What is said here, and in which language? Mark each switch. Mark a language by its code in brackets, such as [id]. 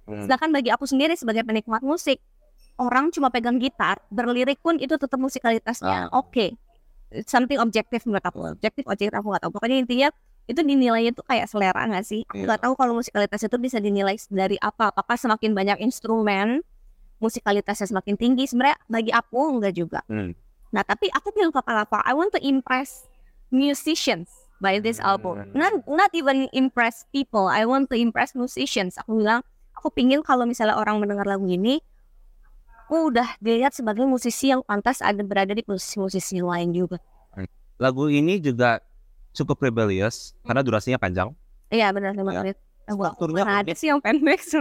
[id] Sedangkan bagi aku sendiri sebagai penikmat musik, orang cuma pegang gitar, berlirik pun itu tetap musikalitasnya. Okay. [en] Something objective [id] menurut aku. Objektif aku gak tahu. Pokoknya intinya, itu dinilainya tuh kayak selera nggak sih? Aku nggak tahu kalau musikalitas itu bisa dinilai dari apa? Apakah semakin banyak instrumen musikalitasnya semakin tinggi? Sebenarnya bagi aku nggak juga. Nah tapi aku bilang ke Kalapa, [en] I want to impress musicians by this album. Not even impress people. I want to impress musicians. [id] Aku bilang, aku pingin kalau misalnya orang mendengar lagu ini, aku udah dilihat sebagai musisi yang pantas ada berada di posisi musisi lain juga. Lagu ini juga cukup rebellious karena durasinya panjang. Iya benar, 5 menit. Strukturnya unik sih yang pendek.